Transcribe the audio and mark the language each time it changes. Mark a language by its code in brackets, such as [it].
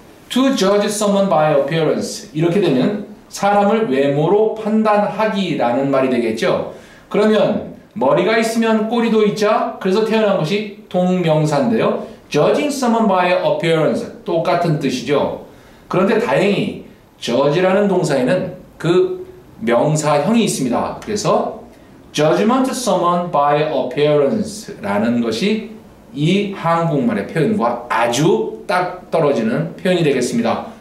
[en] To judge someone by appearance. [ko] 이렇게 되면 사람을 외모로 판단하기라는 말이 되겠죠. 그러면 머리가 있으면 꼬리도 있자. 그래서 태어난 것이 동명사인데요. [en] Judging someone by appearance. [ko] 똑같은 뜻이죠. 그런데 다행히 judge라는 동사에는 그 명사형이 있습니다. 그래서 [en] judgment someone by appearance [ko] 라는 것이 이 한국말의 표현과 아주 딱 떨어지는 표현이 되겠습니다.